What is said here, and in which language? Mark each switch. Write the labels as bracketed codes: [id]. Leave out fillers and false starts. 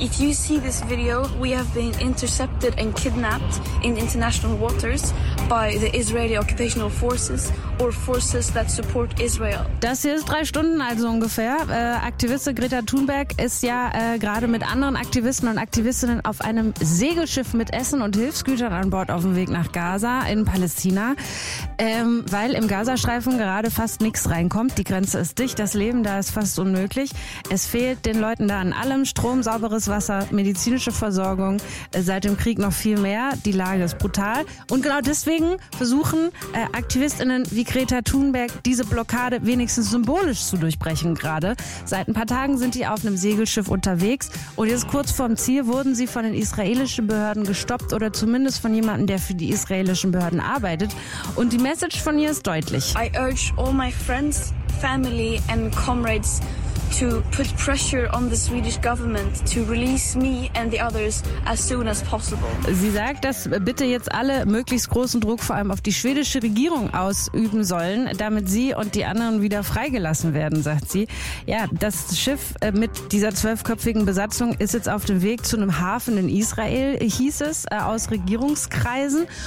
[en] If you see this video, we have been intercepted and kidnapped in international waters by the Israeli occupational forces or forces that support Israel. [de] Das hier ist 3 Stunden also ungefähr. Aktivistin Greta Thunberg ist ja gerade mit anderen Aktivisten und Aktivistinnen auf einem Segelschiff mit Essen und Hilfsgütern an Bord auf dem Weg nach Gaza in Palästina, weil im Gazastreifen gerade fast nichts reinkommt. Die Grenze ist dicht, das Leben da ist fast unmöglich. Es fehlt den Leuten da an allem, Strom, sauberes Wasser, medizinische Versorgung, seit dem Krieg noch viel mehr. Die Lage ist brutal. Und genau deswegen versuchen AktivistInnen wie Greta Thunberg diese Blockade wenigstens symbolisch zu durchbrechen gerade. Seit ein paar Tagen sind die auf einem Segelschiff unterwegs und jetzt kurz vorm Ziel wurden sie von den israelischen Behörden gestoppt oder zumindest von jemandem, der für die israelischen Behörden arbeitet. Und die Message von ihr ist deutlich. [en] I urge all my friends, family and comrades to put pressure on the Swedish government to release me and the others as soon as possible. [de] Sie sagt, dass bitte jetzt alle möglichst großen Druck vor allem auf die schwedische Regierung ausüben sollen, damit sie und die anderen wieder freigelassen werden, sagt sie. Ja, das Schiff mit dieser 12-köpfigen Besatzung ist jetzt auf dem Weg zu einem Hafen in Israel, hieß es, aus Regierungskreisen.